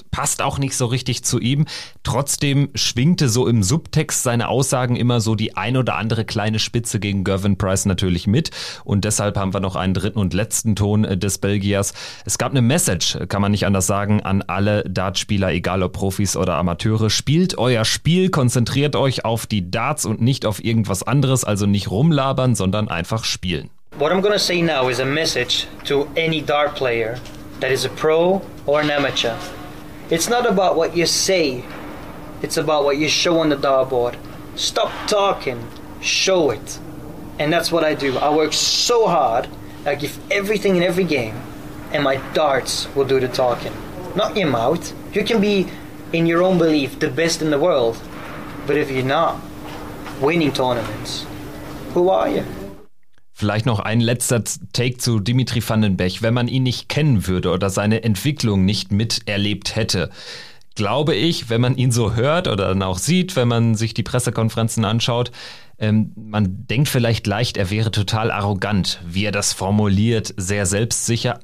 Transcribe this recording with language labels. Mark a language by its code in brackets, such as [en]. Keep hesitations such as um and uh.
[de] Passt auch nicht so richtig zu ihm. Trotzdem schwingte so im Subtext seine Aussagen immer so die ein oder andere kleine Spitze gegen Gervin Price natürlich mit. Und deshalb haben wir noch einen dritten und letzten Ton äh, des Belgiers. Es gab eine Message, kann man nicht anders sagen, an alle Dartspieler, egal ob Profis oder Amateure. Spielt euer Spiel, konzentriert euch auf die Darts und nicht auf irgendwas anderes. Also nicht rumlabern, sondern einfach spielen. [en] What I'm going to say now is a message to any dart player that is a pro or an amateur. It's not about what you say, it's about what you show on the dart board. Stop talking, show it. And that's what I do. I work so hard, I give everything in every game, and my darts will do the talking. Not your mouth. You can be, in your own belief, the best in the world, but if you're not winning tournaments, who are you? [de] Vielleicht noch ein letzter Take zu Dimitri Vandenbech. Wenn man ihn nicht kennen würde oder seine Entwicklung nicht miterlebt hätte, glaube ich, wenn man ihn so hört oder dann auch sieht, wenn man sich die Pressekonferenzen anschaut, man denkt vielleicht leicht, er wäre total arrogant, wie er das formuliert, sehr selbstsicher.